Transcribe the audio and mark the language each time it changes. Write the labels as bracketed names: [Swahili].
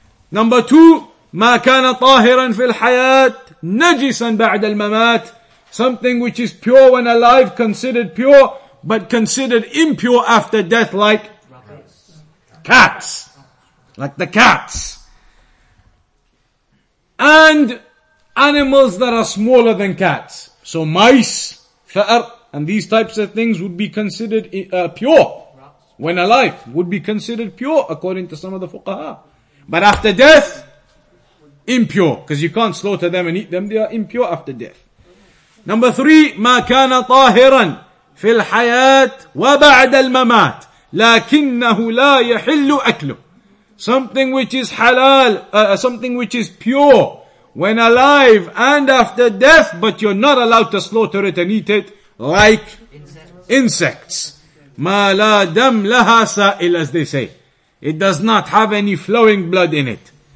[English] Number two, [Arabic] ما كان طاهرا في الحياة نجسا بعد الممات. [English] Something which is pure when alive, considered pure, but considered impure after death, like cats. Like the cats. And animals that are smaller than cats. So mice, فأر, and these types of things would be considered pure. When alive, would be considered pure, according to some of the fuqaha. But after death, impure. Because you can't slaughter them and eat them, they are impure after death. Number three, [Arabic] ما كان طاهرا في الحياة وبعد الممات لكنه لا يحل أكله. [English] Something which is halal, something which is pure, when alive and after death, but you're not allowed to slaughter it and eat it, like insects. [Arabic] مَا لَا دَمْ لَهَا سَائِلْ, [English] as they say. It does not have any flowing blood in it.